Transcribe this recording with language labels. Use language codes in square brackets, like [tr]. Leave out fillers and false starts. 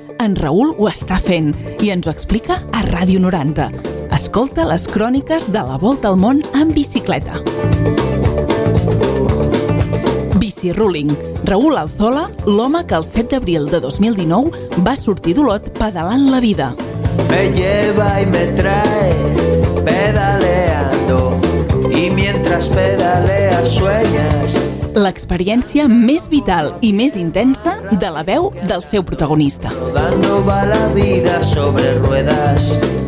[ca] En Raül ho està fent i ens ho explica a Ràdio 90. Escolta les cròniques de la Volta al Món en bicicleta. Bici Ruling. Raül Alzola, l'home que el 7 d'abril de 2019 va sortir d'Olot pedalant la vida. [es] Me lleva y me trae pedaleando y mientras pedaleas sueñas. [ca] L'experiència més vital i més intensa de la veu del seu protagonista. [es] Rodando va la vida sobre ruedas.